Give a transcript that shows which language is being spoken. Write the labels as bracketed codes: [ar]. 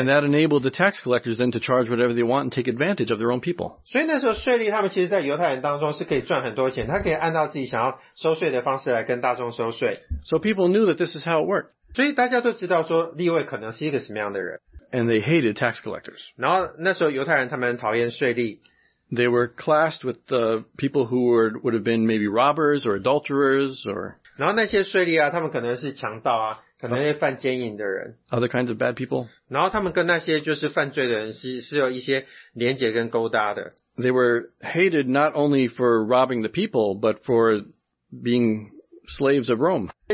[en] And that enabled the tax collectors then to charge whatever they want and take advantage of their own people. [zh] 所以那时候税吏他们其实在犹太人当中是可以赚很多钱，他可以按照自己想要收税的方式来跟大众收税。 [en] So people knew that this is how it worked. [zh] 所以大家都知道说利未可能是一个什么样的人。 [en] And they hated tax collectors. [zh] 然后那时候犹太人他们讨厌税吏。 [en] They were classed with the people who would have been maybe robbers or adulterers or [zh] 然后那些税吏啊,他们可能是强盗啊,可能是犯奸淫的人, [en] other kinds of bad people. [zh] 然后他们跟那些就是犯罪的人是有一些连结跟勾搭的。 [en] They were hated not only for robbing the people, but for being slaves of Rome.